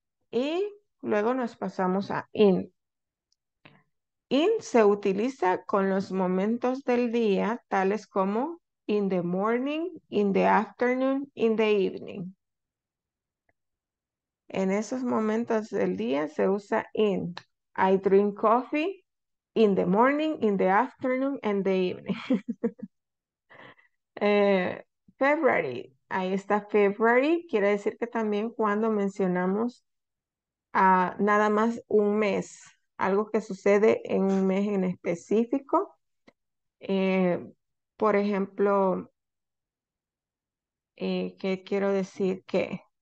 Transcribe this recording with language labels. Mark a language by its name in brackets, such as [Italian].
[Spanish] Y luego nos pasamos a in. In se utiliza con los momentos del día, tales como [English] in the morning, in the afternoon, in the evening. [Spanish] En esos momentos del día se usa in. [English] I drink coffee in the morning, in the afternoon, and the evening. [Spanish] February, ahí está February, quiere decir que también cuando mencionamos nada más un mes, algo que sucede en un mes en específico. Por ejemplo, ¿qué quiero decir que?